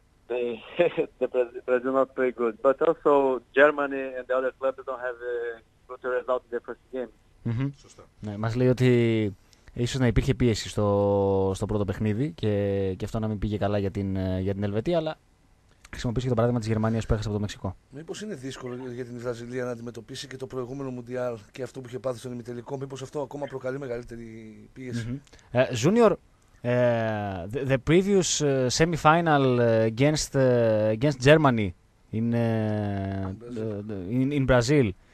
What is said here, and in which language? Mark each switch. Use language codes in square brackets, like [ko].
[en] The Brazil not play good, but also Germany and the other clubs don't have a good result in the first game. Mm-hmm. [el] Ναι, μας λέει ότι ίσως να υπήρχε πίεση στο πρώτο παιχνίδι και αυτό να μην πήγε καλά για την Ελβετία, αλλά χρησιμοποιήσει και το παράδειγμα της Γερμανίας που έχασε από το Μεξικό. Μήπως είναι δύσκολο για την Βραζιλία να αντιμετωπίσει και το προηγούμενο Μουντιάλ και αυτό που είχε πάθει στον ημιτελικό, μήπως αυτό ακόμα προκαλεί μεγαλύτερη πίεση. [en] Junior, The previous semi-final against against Germany in Brazil.